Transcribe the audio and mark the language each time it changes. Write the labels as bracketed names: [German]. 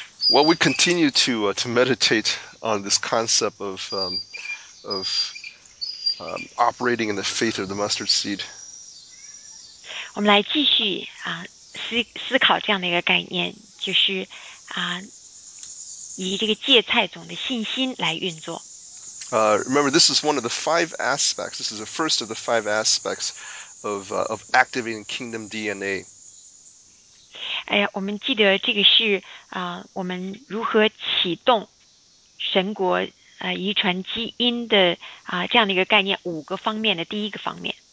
[English] Well, we continue to meditate on this concept of operating in the faith of the mustard seed. [Chinese] 我们来继续啊思考这样的一个概念，就是啊以这个芥菜种的信心来运作。 [English] Remember, this is one of the five aspects. This is the first of the five aspects of activating kingdom DNA. [Chinese] 哎呀，我们记得这个是啊，我们如何启动神国。遗传基因的啊、这样的一个概念，五个方面的第一个方面。